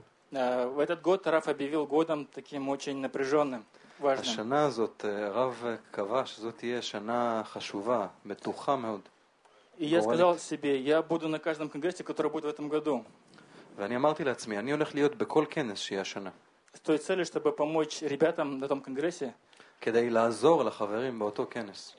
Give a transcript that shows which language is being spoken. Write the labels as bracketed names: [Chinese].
[Russian] В этот год Раф объявил годом таким очень напряженным. [Hebrew] השנה הזאת, רב קבע שזאת תהיה שנה חשובה, מתוחה מאוד. [Russian] Я сказал себе, я буду на каждом конгрессе, который будет в этом году. [Hebrew] ואני אמרתי לעצמי, אני הולך להיות בכל כנס שיהיה השנה. [Russian] С той целью, чтобы помочь ребятам на том конгрессе. [Hebrew] כדי לעזור לחברים באותו כנס.